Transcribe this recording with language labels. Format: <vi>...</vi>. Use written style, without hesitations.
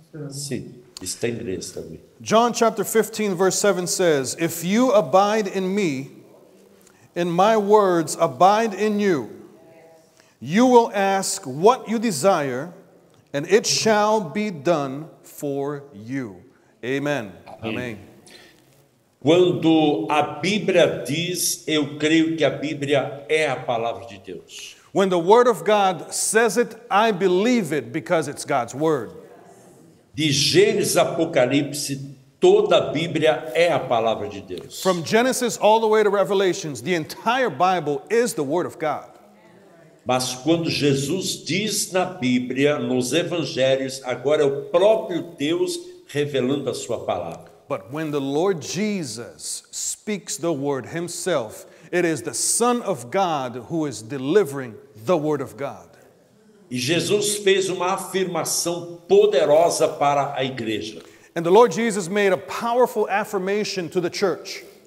<pt>Sim, está em inglês também.</pt> <en>John chapter 15, verse 7 says, If you abide in me, and my words abide in you, you will ask what you desire, and it shall be done for you. Amen.</en> <pt>Amém. Amém. Quando a Bíblia diz, eu creio que a Bíblia é a palavra de Deus.</pt> <en>When the Word of God says it, I believe it because it's God's Word.</en> <pt>De Gênesis a Apocalipse, toda a Bíblia é a palavra de Deus.</pt> <en>From Genesis all the way to Revelations, the entire Bible is the Word of God.</en> <pt>Mas quando Jesus diz na Bíblia, nos Evangelhos, agora é o próprio Deus revelando a sua palavra.</pt> <en>But when the Lord Jesus speaks the word himself, it is the Son of God who is delivering the word of God.</en> <pt>E Jesus fez uma afirmação poderosa para a igreja.</pt> <en>And the Lord Jesus made a powerful affirmation to the church.</en>